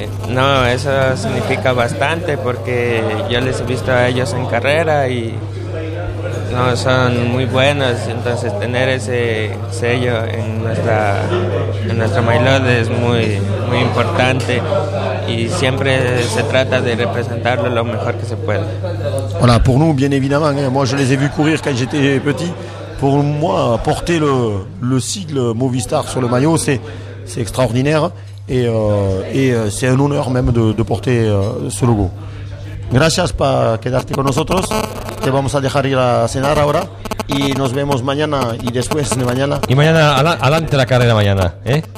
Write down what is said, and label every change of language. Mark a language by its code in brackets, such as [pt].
[es] No, eso significa bastante porque yo les he visto a ellos en carrera y no, son muy buenos, entonces tener ese sello en nuestra maillot es muy, muy importante y siempre se trata de representarlo lo mejor que se puede. [fr] Voilà, pour nous, bien évidemment, hein, moi je les ai vus courir quand j'étais petit. Pour moi, porter le sigle Movistar sur le maillot, c'est extraordinaire et c'est un honneur même de porter ce logo. [es] Gracias por quedarte con nosotros. Te vamos a dejar ir a cenar ahora y nos vemos mañana y después de mañana. Y mañana adelante la carrera mañana, ¿eh?